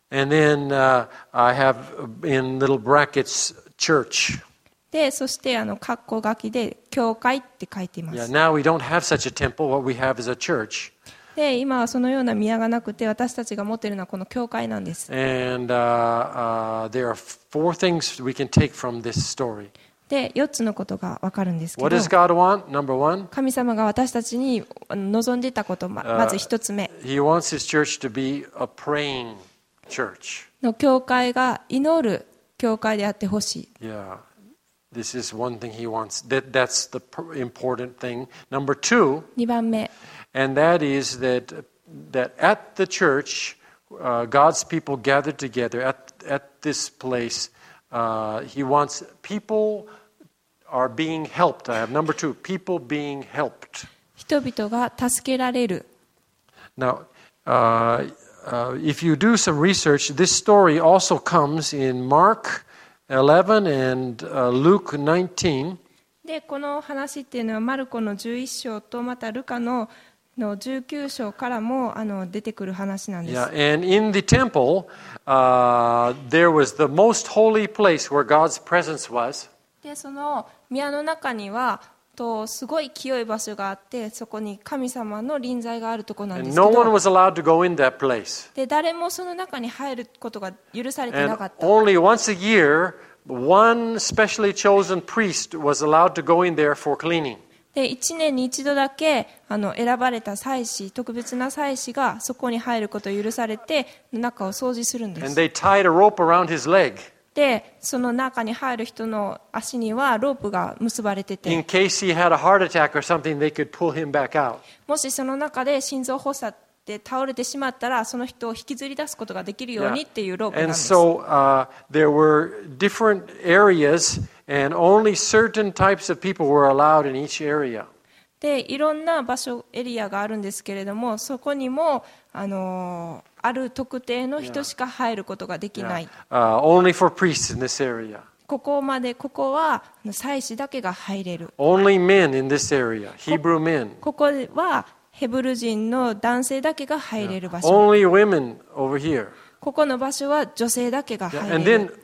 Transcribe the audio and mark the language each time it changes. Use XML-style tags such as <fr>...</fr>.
<en>And then, I have in little brackets, church.</en> <ja>で、そして括弧書きで教会って書いています。</ja> <en>Yeah, now we don't have such a temple. What we have is a church.</en> <ja>で、今はそのような宮がなくて、私たちが持っているのはこの教会なんです。</ja> <en>And there are four things we can take from this story.</en> <ja>で、4つのことがわかるんですけど。</ja> <en>What does God want? Number one.</en> <ja>神様が私たちに望んでいたこと、まず1つ目。</ja> <en>He wants his church to be a praying church.</en> <ja>の教会が祈る教会であってほしい。</ja> <en>Yeah. This is one thing he wants. That's the important thing. Number two,</en> <ja>2番目</ja> <en>and that is that at the church, God's people gathered together at this place. He wants people are being helped. I have number two, people being helped.</en> <ja>人々が助けられる</ja> <en>Now, if you do some research, this story also comes in Mark. 11 and Luke 19.</en> <ja>で、この話っていうのはマルコの11章とまたルカの19章からも出てくる話なんです。</ja> <en>Yeah, and in the temple, there was the most holy place where God's presence was.</en> <ja>で、その宮の中にはとすごい清い場所があって、そこに神様の臨在があるところなんですけど。</ja> <en>And no one was allowed to go in that place.</en> <ja>で、誰もその中に入ることが許されてなかった。</ja> <en>And only once a year, one specially chosen priest was allowed to go in there for cleaning.</en> <ja>で、1年に1度だけ選ばれた祭司、特別な祭司がそこに入ることを許されて、中を掃除するんです。</ja> <en>And they tied a rope around his leg.</en> <ja>で、その中に入る人の足にはロープが結ばれてて。</ja> <en>In case he had a heart attack or something, they could pull him back out.</en> <ja>もしその中で心臓発作で倒れてしまったら、その人を引きずり出すことができるようにっていうロープなんです。</ja> <en>And so, there were different areas, and only certain types of people were allowed in each area.</en> <ja>で、いろんな場所、エリアがあるんですけれども、そこにも、ある特定の人しか入ることができない。</ja> <en>Only for priests in this area.</en> <ja>ここは祭司だけが入れる。</ja> <en>Only men in this area. Hebrew men.</en> <ja>ここはヘブル人の男性だけが入れる場所。</ja> <en>Only women over here.</en> <ja>ここの場所は女性だけが入れる。</ja>